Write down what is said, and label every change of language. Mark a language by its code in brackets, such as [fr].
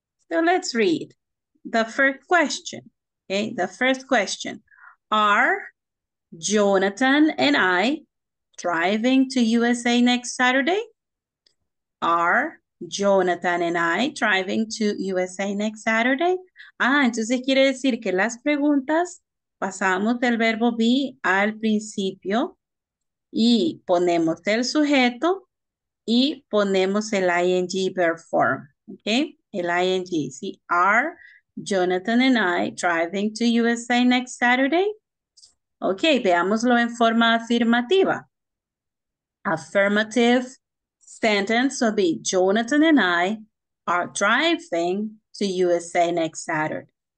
[en] So let's read the first question. Okay, the first question. Are Jonathan and I driving to USA next Saturday? Are Jonathan and I driving to USA next Saturday? [es] Ah, entonces quiere decir que las preguntas pasamos del verbo be al principio y ponemos el sujeto y ponemos el ing verb form. Okay, el ing. ¿Sí? Are Jonathan and I driving to USA next Saturday? [en] Okay, [es] veámoslo en forma afirmativa. [en] Affirmative sentence would be Jonathan and I are driving to USA next Saturday.